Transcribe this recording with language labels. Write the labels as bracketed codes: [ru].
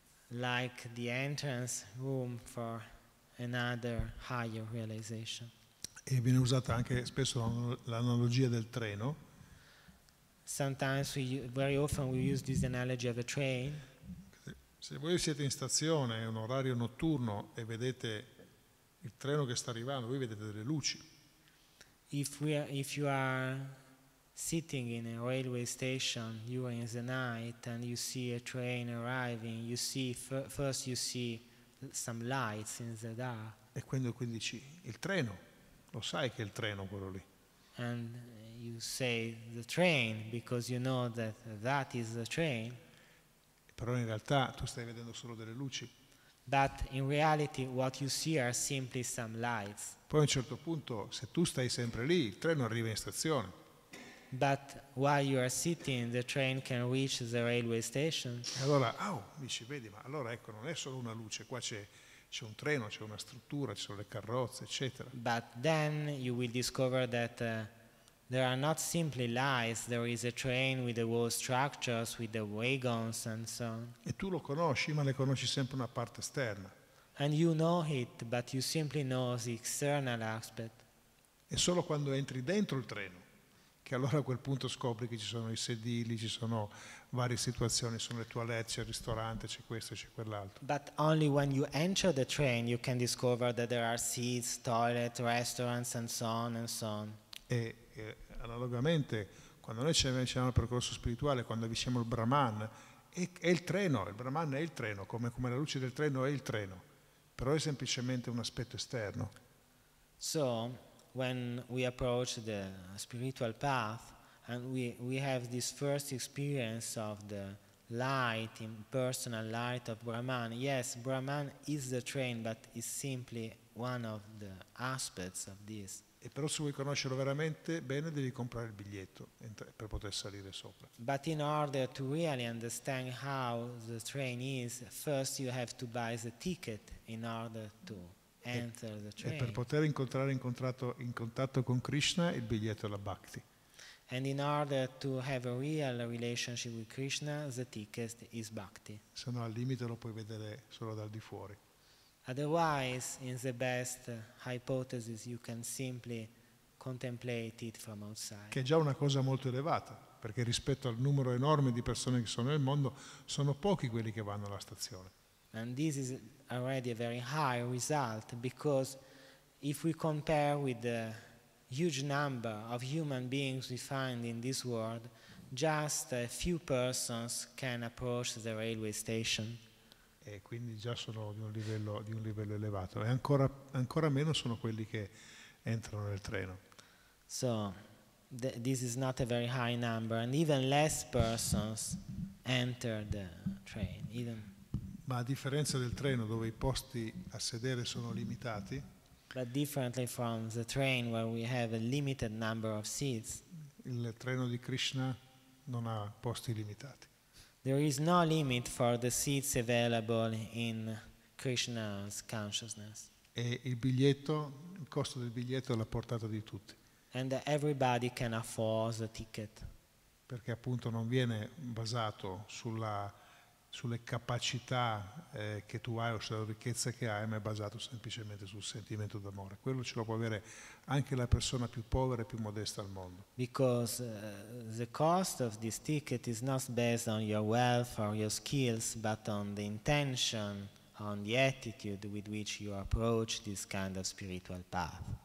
[en] like the entrance room for another higher realization. [it] E viene usata anche spesso l'analogia del treno. [en] Sometimes we very often we use this analogy of a train. [it] Se voi siete in stazione, è un orario notturno e vedete il treno che sta arrivando, voi vedete delle luci. [en] If you are sitting in a railway station during the night and you see a train arriving, you see first you see some lights in the dark. [it] E quindi dici il treno, lo sai che è il treno quello lì. [en] And you say the train because you know that that is the train. [it] Però in realtà tu stai vedendo solo delle luci. [en] But in reality what you see are simply some lights. [it] Poi a un certo punto, se tu stai sempre lì, il treno arriva in stazione. [en] But while you are sitting, the train can reach the railway station. [it] E allora, dici, vedi, ma allora ecco, non è solo una luce, qua c'è un treno, c'è una struttura, ci sono le carrozze, eccetera. [en] But then you will discover that there are not simply lights, there is a train with the wall structures, with the wagons and so on. [it] E tu lo conosci, ma ne conosci sempre una parte esterna. [en] And you know it, but you simply know the external aspect. [it] E solo quando entri dentro il treno, che allora a quel punto scopri che ci sono i sedili, ci sono varie situazioni, sono le toilette, c'è il ristorante, c'è questo, c'è quell'altro. [en] But only when you enter the train you can discover that there are seats, toilet, restaurants and so on and so on. [it] E analogamente, quando noi ci avviciniamo al percorso spirituale, quando avviciniamo il Brahman, è il treno, il Brahman è il treno, come la luce del treno è il treno, però è semplicemente un aspetto esterno. [en] So when we approach the spiritual path and we have this first experience of the light, impersonal light of Brahman, yes, Brahman is the train, but it's simply one of the aspects of this. [it] E però se vuoi conoscerlo veramente bene devi comprare il biglietto per poter salire sopra. [en] But in order to really understand how the train is, first you have to buy the ticket in order to enter the train. [it] E per poter incontrare in contatto con Krishna il biglietto della bhakti. [en] And in order to have a real relationship with Krishna, the ticket is bhakti. [it] Se no al limite lo puoi vedere solo dal di fuori. [en] Otherwise, in the best hypothesis, you can simply contemplate it from outside. [it] Che è già una cosa molto elevata, perché rispetto al numero enorme di persone che sono nel mondo, sono pochi quelli che vanno alla stazione. [en] And this is already a very high result, because if we compare with the huge number of human beings we find in this world, just a few persons can approach the railway station. [it] E quindi già sono di un livello elevato e ancora meno sono quelli che entrano nel treno. [en] So this is not a very high number and even less persons enter the train even. [it] Ma a differenza del treno dove i posti a sedere sono limitati. [en] But differently from the train where we have a limited number of seats. [it] Il treno di Krishna non ha posti limitati. [en] There is no limit for the seats available in Krishna's consciousness. [it] E il biglietto, il costo del biglietto è alla portata di tutti. [en] And everybody can afford the ticket. [it] Perché appunto non viene basato sulle capacità che tu hai o sulla ricchezza che hai, ma è basato semplicemente sul sentimento d'amore. Quello ce lo può avere anche la persona più povera e più modesta al mondo. [en] Because the cost of this ticket is not based on your wealth or your skills, but on the intention, on the attitude with which you approach this kind of spiritual path.